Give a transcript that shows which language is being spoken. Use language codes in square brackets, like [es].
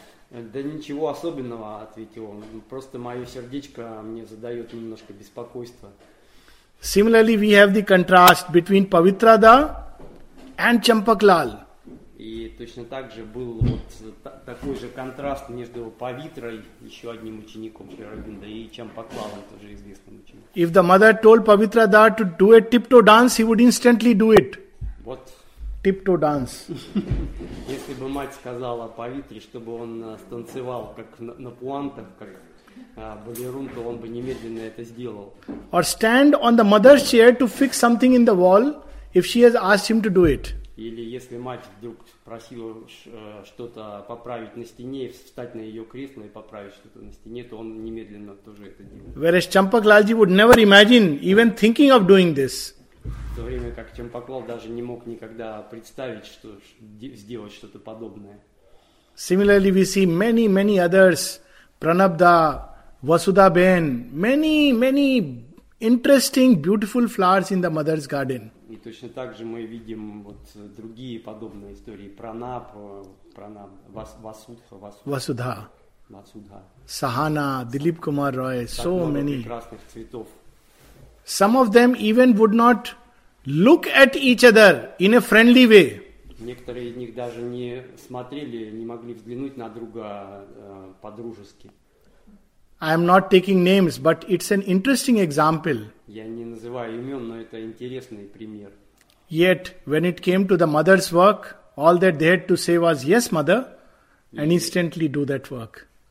[ru] Да ничего особенного, ответил он. Просто мое сердечко мне задает немножко беспокойство. [en] Similarly, we have the contrast between Pavitrada and Champaklal. [ru] И точно так же был вот такой же контраст между Павитрой, еще одним учеником Шри Аурабиндо, и Чампаклалом, тоже известным учеником. [en] If the mother told Pavitrada to do a tiptoe dance, he would instantly do it. What? Tiptoe dance. [ru] Если бы мать сказала Павитре, чтобы он станцевал как на пуантах, как балерун, то он бы немедленно это сделал. [en] Or stand on the mother's chair to fix something in the wall, if she has asked him to do it. [ru] Или если мать вдруг просила что-то поправить на стене, встать на ее кресло и поправить что-то на стене, то он немедленно тоже это делал. [en] Whereas Champaklalji would never imagine even thinking of doing this. [ru] В то время как Champaklal даже не мог никогда представить, что сделать что-то подобное. [en] Similarly, we see many, many others, Pranabda, Vasudha Ben, many, many interesting, beautiful flowers in the mother's garden. [ru] И точно так же мы видим вот другие подобные истории. Пранаб, Васудха. Сахана, Дилип Кумар Рой, [en] so many. [ru] Прекрасных цветов. [en] Some of them even would not look at each other in a friendly way. [ru] Некоторые из них даже не смотрели, не могли взглянуть на друга по-дружески. [en] I am not taking names, but it's an interesting example. [ru] Я не называю имен, но это интересный пример. [en] Yet, when it came to the mother's work, all that they had to say was, yes, mother, and instantly do that work.